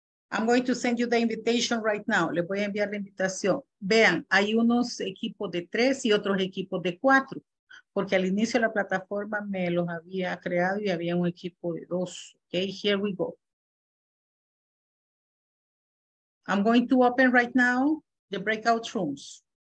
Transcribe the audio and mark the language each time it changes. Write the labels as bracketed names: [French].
[English] I'm going to send you the invitation right now. [Spanish] Les voy a enviar la invitación. Vean, hay unos equipos de 3 y otros equipos de 4. Porque al inicio de la plataforma me los había creado y había un equipo de 2. [English] Okay, here we go. I'm going to open right now the breakout rooms.